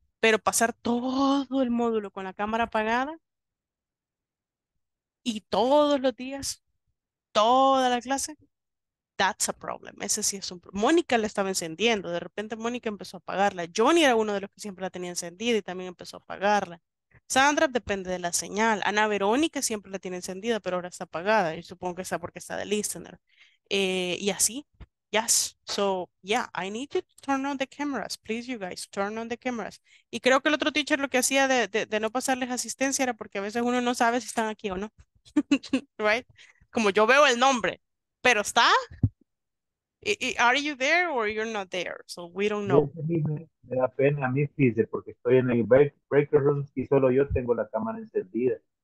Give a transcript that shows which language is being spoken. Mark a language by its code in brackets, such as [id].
[es] Pero pasar todo el módulo con la cámara apagada y todos los días, toda la clase, [en] that's a problem. [es] Ese sí es un problema. Mónica la estaba encendiendo. De repente Mónica empezó a apagarla. Johnny era uno de los que siempre la tenía encendida y también empezó a apagarla. Sandra depende de la señal. Ana Verónica siempre la tiene encendida, pero ahora está apagada. Y supongo que está porque está de listener. Y así. Yes. [en] So, yeah, I need to turn on the cameras. Please, you guys, turn on the cameras. [es] Y creo que el otro teacher lo que hacía de no pasarles asistencia era porque a veces uno no sabe si están aquí o no. [en] Right? [es] Como yo veo el nombre. ¿Pero está? [en] Are you there or you're not there? So we don't know. [es] Me da pena a mí, dice, porque estoy en el break room y solo yo tengo la cámara encendida.